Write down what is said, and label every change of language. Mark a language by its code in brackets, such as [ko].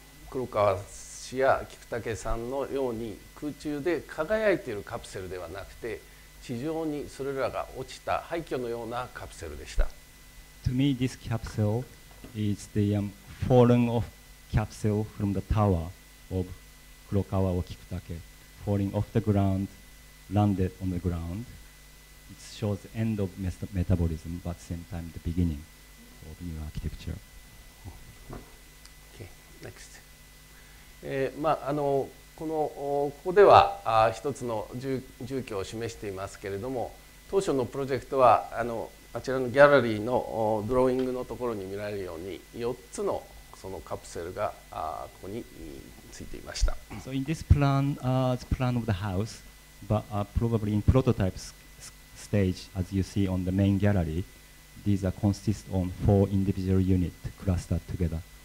[ja] 黒川氏や菊武さんのように空中で輝いているカプセルではなくて地上にそれらが落ちた廃墟のようなカプセルでした。 [en] To me, this capsule is the falling off capsule from the tower of 黒川を菊武 falling off the ground, landed on the ground. It shows the end of metabolism, but same time the beginning of new architecture. Okay, next. [ja] このここでは一つの住居を示していますけれども、当初のプロジェクトはあちらのギャラリーのドローイングのところに見られるように4つのそのカプセルがここについていました。 [en] So in this plan, the plan of the house, but probably in prototype stage, as you see on the main gallery, these are consist on four individual units clustered together.